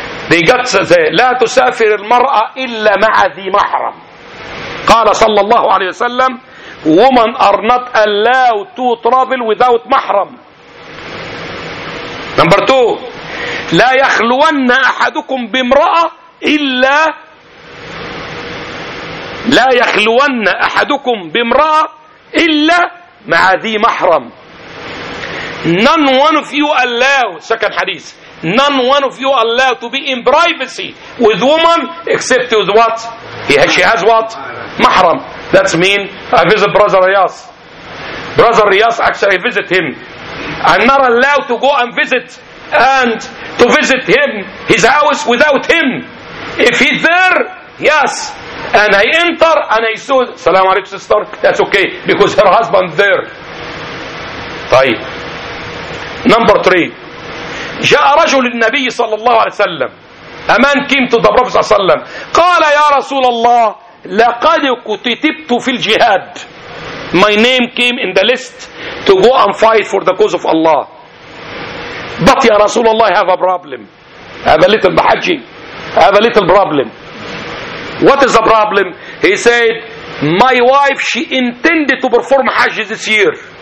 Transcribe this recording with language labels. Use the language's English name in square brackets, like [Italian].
[English] They got to say, [Arabic] لا تسافر المرأة إلا مع ذي محرم. قال صلى الله عليه وسلم, [English] women are not allowed to travel without mahram. Number two, [Arabic] لا يخلون أحدكم بامرأة إلا لا يخلون أحدكم بامرأة إلا مع ذي محرم. [English] None one of you allowed, second hadith, none one of you allowed to be in privacy with woman except with what? She has what? Mahram. That's mean I visit Brother Riyas. Brother Riyas, actually I visit him. I'm not allowed to go and visit and to visit him, his house, without him. If he's there, yes. And I enter and I say, Salaam alaikum sister, that's okay, because her husband's there. [Arabic] طيب. [English] Number three. [Arabic] جاء رجل النبي صلى الله عليه وسلم. [English] A man came to the Prophet صلى الله عليه وسلم. [Arabic] قال يا رسول الله, لقد كتبت في الجهاد. [English] My name came in the list to go and fight for the cause of Allah. But ya Rasulullah, I have a problem. I have a little bahaji. I have a little problem. What is the problem? He said, my wife, she intended to perform Hajj this year.